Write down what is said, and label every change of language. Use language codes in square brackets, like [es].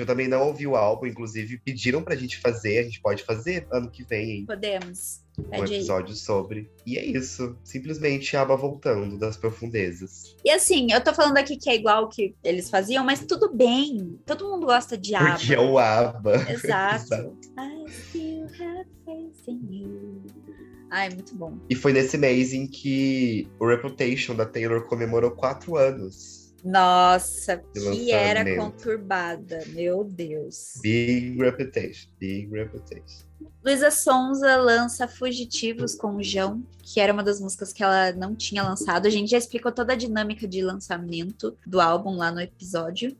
[pt] Eu também não ouvi o álbum, inclusive pediram pra gente fazer. A gente pode fazer ano que vem, hein? Podemos. Um episódio sobre. E é isso. Simplesmente ABBA voltando das profundezas. E assim, eu tô falando aqui que é igual o que eles faziam, mas tudo bem. Todo mundo gosta de ABBA. Porque é o ABBA. [en] Exato. I still have faith in you. [pt] Ai, muito bom. E foi nesse mês em que o Reputation da Taylor comemorou 4 anos. Nossa, que era conturbada. Meu Deus. [en] Big Reputation. [pt] Luísa Sonza lança Fugitivos com o Jão, que era uma das músicas que ela não tinha lançado. A gente já explicou toda a dinâmica de lançamento do álbum lá no episódio.